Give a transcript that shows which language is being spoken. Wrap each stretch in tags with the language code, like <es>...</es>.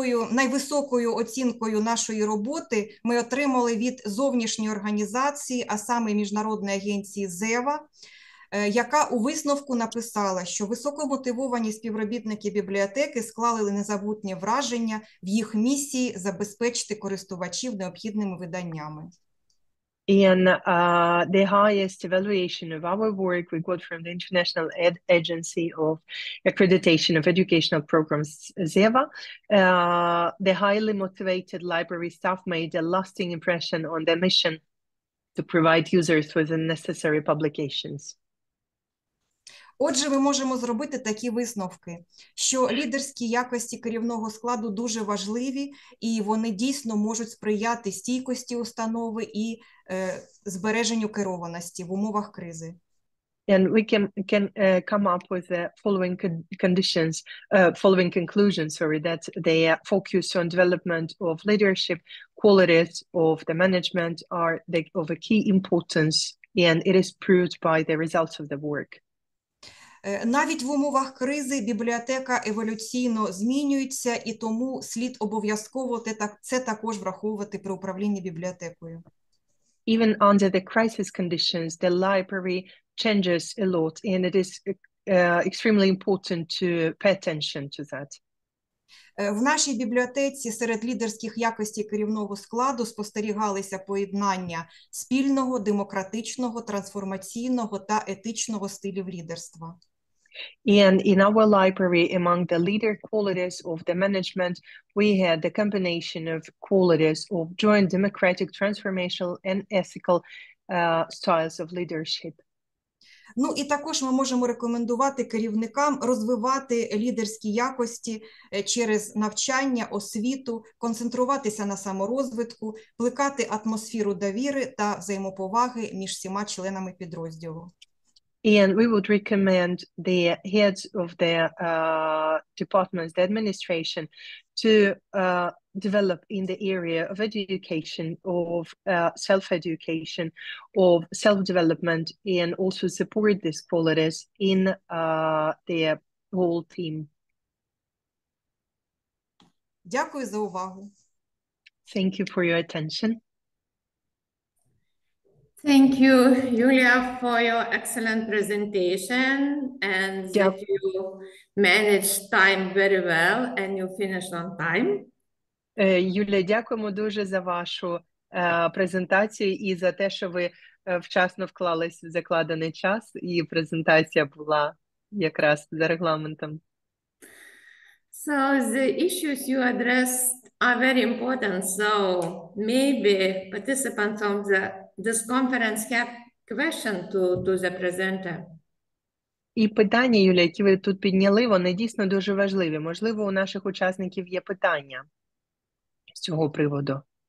<uk>Найвисокою оцінкою нашої роботи ми отримали від зовнішньої організації, а саме міжнародної агенції ЗЕВА, яка у висновку написала, що високомотивовані співробітники бібліотеки склали незабутнє враження в їх місії забезпечити користувачів необхідними виданнями.</uk> <en>And the highest evaluation of our work we got from the International Agency of Accreditation of Educational Programs, ZEVA. The highly motivated library staff made a lasting impression on their mission to provide users with the necessary publications.</en> <uk>Отже, ми можемо зробити такі висновки, що лідерські якості керівного складу дуже важливі, і вони дійсно можуть сприяти стійкості установи і збереженню керованості в умовах кризи.</uk> <en>And we can come up with the following conditions, following conclusions, sorry, that they focus on development of leadership, qualities of the management are of a key importance, and it is proved by the results of the work.</en> <uk>Навіть в умовах кризи бібліотека еволюційно змінюється, і тому слід обов'язково це також враховувати при управлінні бібліотекою.</uk> <en>Even under the crisis conditions, the library changes a lot, and it is extremely important to pay attention to that.</en> <uk>В нашій бібліотеці серед лідерських якостей керівного складу спостерігалися поєднання спільного, демократичного, трансформаційного та етичного стилів лідерства.</uk> <en>And in our library, among the leader qualities of the management, we had the combination of qualities of joint democratic, transformational and ethical styles of leadership.</en> <uk>Ну і також ми можемо рекомендувати керівникам розвивати лідерські якості через навчання, освіту, концентруватися на саморозвитку, плекати атмосферу довіри та взаємоповаги між всіма членами підрозділу.</uk> <en>And we would recommend the heads of the departments, the administration, to develop in the area of education, of self-education, of self-development, and also support these qualities in their whole team.</en> <uk>Дякую за увагу.</uk> <en>Thank you for your attention. Thank you, Юлія, for your excellent presentation and that you managed time very well and you finished on time.</en> <uk>Юлія, дякуємо дуже за вашу презентацію і за те, що ви вчасно вклались в закладений час і презентація була якраз за регламентом.</uk> <en>So the issues you addressed are very important, so maybe participants on the this conference have question to the presenter.</en> <uk>І питання, Юлія, які ви тут підняли, вони дійсно дуже важливі. Можливо, у наших учасників є питання з цього приводу.</uk>